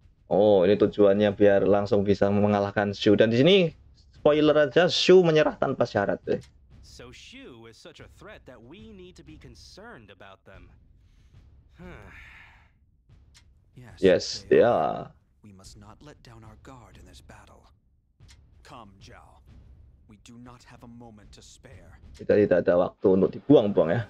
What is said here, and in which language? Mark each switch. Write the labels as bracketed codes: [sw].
[id] Oh, ini tujuannya biar langsung bisa mengalahkan Shu. Dan di sini spoiler aja, Shu menyerah tanpa syarat deh. [en] So Shu is such a threat that we need to be concerned about them. Yes, they are. We must not let down our guard in this battle. Come, Zhao. We do not have a moment to spare. [id] Kita tidak ada waktu untuk dibuang-buang ya.